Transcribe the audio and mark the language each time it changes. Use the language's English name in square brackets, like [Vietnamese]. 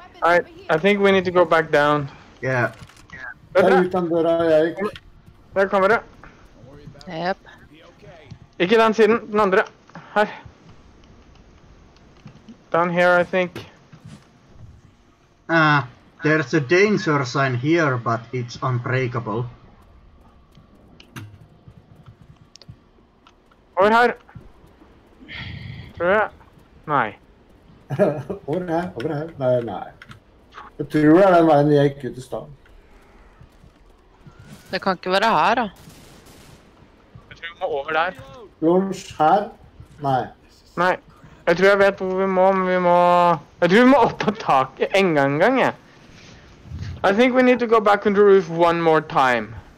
[English] I think we need to go back down. Yeah. [Norwegian] Det er uten døra jeg gikk. Der kommer det. Jep. Ikke den siden, den andre. Her. [English] Down here, I think. There's a danger sign here, but it's unbreakable. [Norwegian] Over her. Tror jeg. Nei. Over her. Nei. Jeg tror det er den veien jeg gikk ut i stand. Det kan ikke være her, da. Jeg tror vi må over der. Lunch, her? Nei. Nei. Jeg tror jeg vet hvor vi må, men vi må... Jeg tror vi må opp på taket en gang, ja. [English] I think we need to go back on the roof one more time.